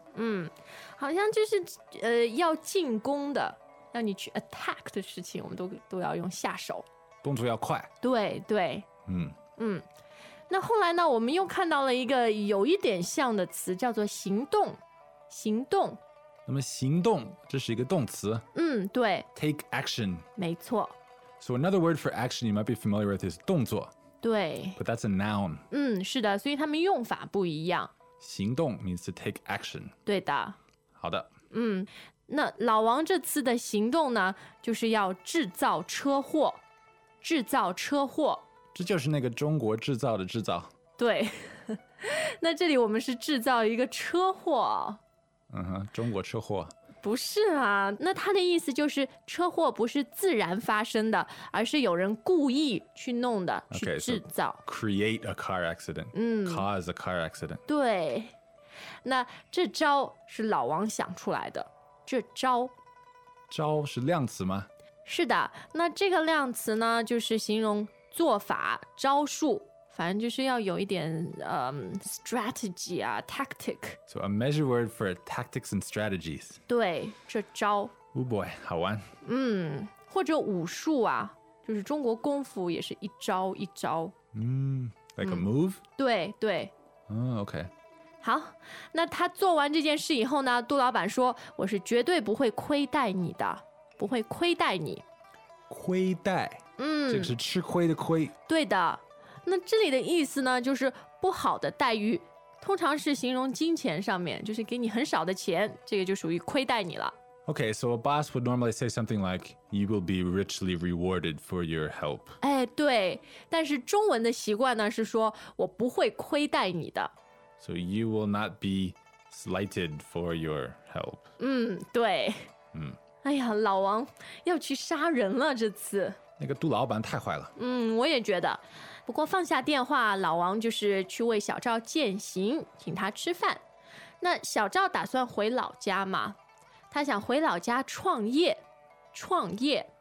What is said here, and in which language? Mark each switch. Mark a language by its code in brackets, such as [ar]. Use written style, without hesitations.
[zh] 嗯，好像就是要进攻的，要你去 attack 的事情，我们都要用下手，动作要快。对对，嗯嗯。那后来呢，我们又看到了一个有一点像的词，叫做行动，行动。那么行动，这是一个动词。嗯，对。 [en] Take action. [zh] 没错。 [en] So another word for action you might be familiar with is 动作。 [zh] 对。 [en] But that's a noun. [zh] 嗯，是的，所以他们用法不一样。 [en] 行动 means to take action. [zh] 对的。好的。嗯，那老王这次的行动呢，就是要制造车祸，制造车祸。这就是那个中国制造的制造。对。那这里我们是制造一个车祸。嗯哼，中国车祸。不是啊，那他的意思就是车祸不是自然发生的，而是有人故意去弄的。 [en] okay, [zh] 去制造。 [en] So, create a car accident、 [zh] 嗯、 [en] cause a car accident. [zh] 对，那这招是老王想出来的。这招，招是量词吗？是的，那这个量词呢，就是形容做法、招数，反正就是要有一点strategy 啊 tactic. [en] So a measure word for tactics and strategies. [zh] 对，这招。 [en] Oh boy, [zh] 好玩。嗯，或者武术啊，就是中国功夫也是一招一招。 [en] 嗯 ，like a move. [zh] 对对。嗯 ，OK。好，那他做完这件事以后呢，杜老板说：“我是绝对不会亏待你的，不会亏待你。” 亏待。嗯，这个是吃亏的亏。对的。那这里的意思呢，就是不好的待遇，通常是形容金钱上面，就是给你很少的钱，这个就属于亏待你了。 [en] Okay, so a boss would normally say something like You will be richly rewarded for your help. [zh] 哎，对，但是中文的习惯呢，是说我不会亏待你的。 [en] So you will not be slighted for your help. [zh] 嗯，对。嗯。哎呀，老王要去杀人了，这次。那个杜老板太坏了。嗯，我也觉得。不过放下电话，老王就是去为小赵饯行，请他吃饭。那小赵打算回老家吗？他想回老家创业。创业